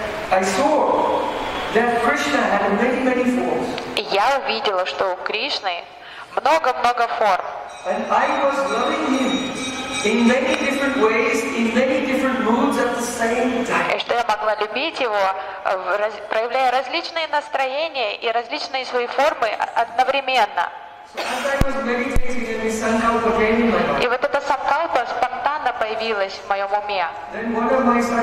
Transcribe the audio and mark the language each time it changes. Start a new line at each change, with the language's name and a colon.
English: I saw that Krishna had many, many forms.
Russian: Я увидела, что у Кришны много-много форм.
English: And I was loving him in many different ways, in many different moods at the same time.
Russian: И что я могла любить его, проявляя различные настроения и различные свои формы одновременно. И вот эта санкалпа спонтанно появилась в моем уме.